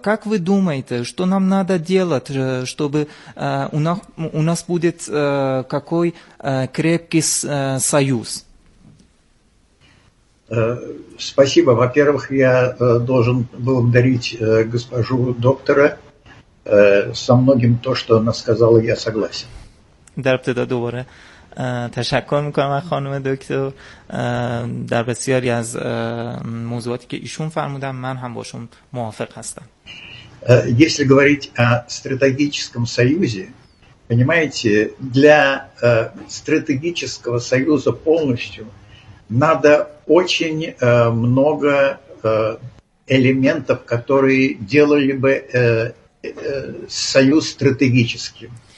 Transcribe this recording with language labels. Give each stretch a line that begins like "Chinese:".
Russian: Как вы думаете, что нам надо делать, чтобы у нас будет какой крепкий союз? Спасибо. Во-первых, я должен благодарить госпожу доктора. Со многим то, что она сказала, я согласен. Да, это доброе.
Persian: تشکر میکنم از خانم دکتر، در بسیاری از موضوعاتی که ایشون فرمودن من هم باشون موافق هستم.
Russian: Если говорить о стратегическом союзе, понимаете, для стратегического союза полностью надо очень много элементов, которые делали бы союз стратегическим.